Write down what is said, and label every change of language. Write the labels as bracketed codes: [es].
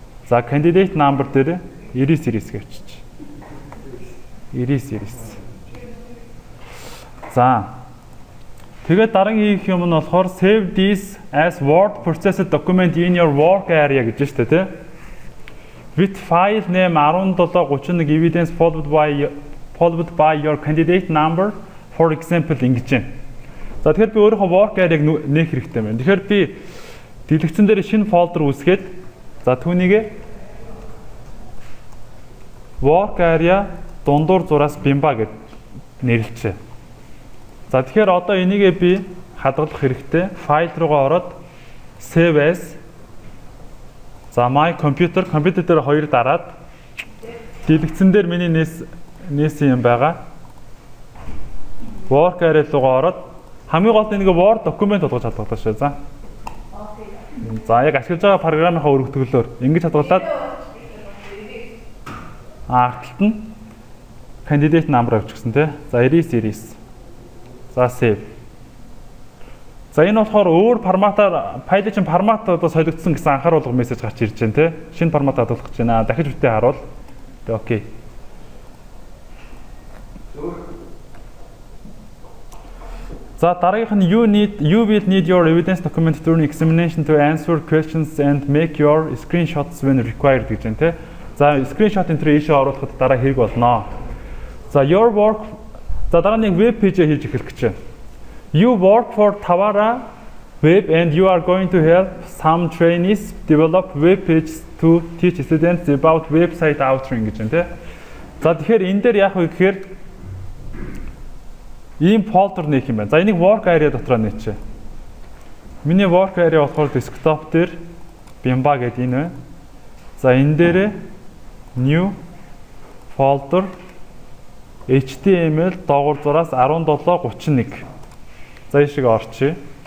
[mn] За candidate number дээр 99 гэвчих. 99. За Тэгээд дараагийн хийх юм нь болохоор [en] save this as word processed document in your work area [mn] гэж байна шүү дээ, тэ? [en] With file name 1731 evidence followed by your candidate number for example [mn] ингэж байна. За тэгэхээр би өөрөө work area-г нээх хэрэгтэй байна. Тэгэхээр би дэлгэцэн дээр шинэ folder үүсгээд за түүнийг work area дундуур зураас бимба гэж нэрлэчихэ. За тэгэхээр одоо энийгээ би хадгалах хэрэгтэй. File руугаа ороод save as. За my computer дээр хоёр дараад дэлгэцэн дээр миний нээс юм байгаа. Work area руугаа ороод хамгийн гол нь энийгээ Word document болгож хадгалах шээ. За. За яг ашиглаж байгаа програмынхаа өргөтгөлөөр ингэж хадгалаад артталт нь candidate number авчихсан тий. За 99. За save. За энэ болохоор өөр форматаар файлын чинь формат одоо солигдсон гэсэн анхааруулга мессеж гарч ирж байна, тэ? Шинэ формат хадгалах гэж байна. Дахиж бүтээ харуул. Тэ окей. За дараагийнх нь [en] you will need your evidence document during examination to answer questions and make your screenshots when required [mn] гэж байна, тэ? За screenshot entry-ийг оруулахад дараа хэрэг болно. За your work За дараа нэг веб пэйж хийж эхлэх гэж байна. [en] You work for Tavara web and you are going to help some trainees develop web pages to teach students about website authoring [mn] гэж байна, тэ? За тэгэхээр энэ дээр яах вэ гэхээр ийм folder нэх юм байна. За энийг work area дотроо нээчээ. Миний work area болохоор desktop дээр Bimba гэдэг энэ байна. За энэ дээр new folder HTML доогуур зураас 1731. За энэ шиг орчихъя.